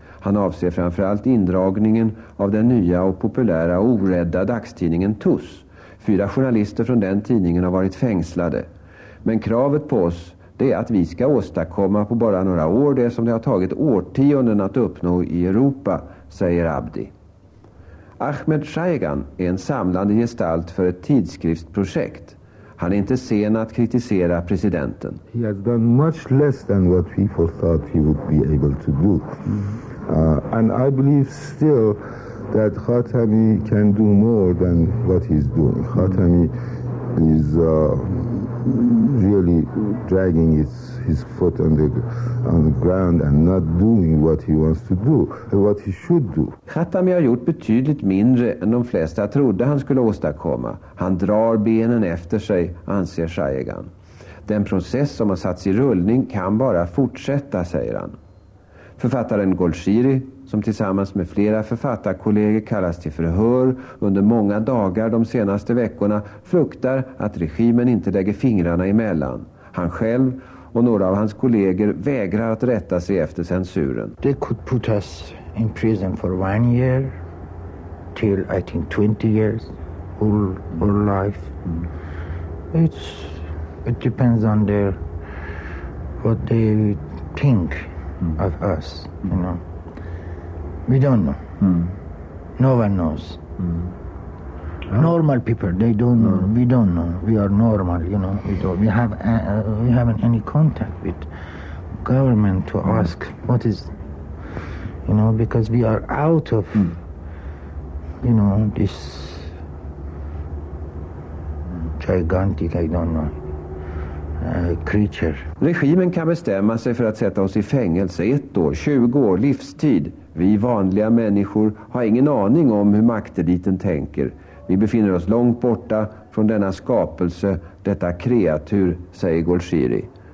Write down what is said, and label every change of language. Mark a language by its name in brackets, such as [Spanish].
[Swedish] Han avser framförallt indragningen av den nya och populära och orädda dagstidningen TUS. 4 journalister från den tidningen har varit fängslade. Men kravet på oss, det är att vi ska åstadkomma på bara några år det som det har tagit årtionden att uppnå i Europa, säger Abdi. Ahmed Shaygan är en samlande gestalt för ett tidskriftsprojekt. Han är inte sen att kritisera presidenten. [English] He has done much less than what people thought he would be able to do. And I believe still that Khatami can do more than what he's doing. Khatami is really dragging his foot on the ground and not doing what he wants to do, what he should do. [Swedish] Khatami har gjort betydligt mindre än de flesta trodde han skulle åstadkomma. Han drar benen efter sig, anser Shaygan. Den process som har satts i rullning kan bara fortsätta, säger han. Författaren Golshiri, som tillsammans med flera författarkollegor kallas till förhör under många dagar de senaste veckorna, fruktar att regimen inte lägger fingrarna emellan. Han själv och några av hans kollegor vägrar att rätta sig efter censuren. [English] They could put us in prison for 1 year till I think 20 years whole life. It depends on their what they think of us, you know. We don't know. No one knows. Normal people, they don't know. We don't know. We are normal, you know. We haven't any contact with government to ask what is, you know, because we are out of, you know, this gigantic, I don't know. [Swedish] Regimen kan bestämma sig för att sätta oss i fängelse 1 år, 20 år, livstid. Vi vanliga människor har ingen aning om hur makteliten tänker. Vi befinner oss långt borta från denna skapelse, detta kreatur, säger Golshiri.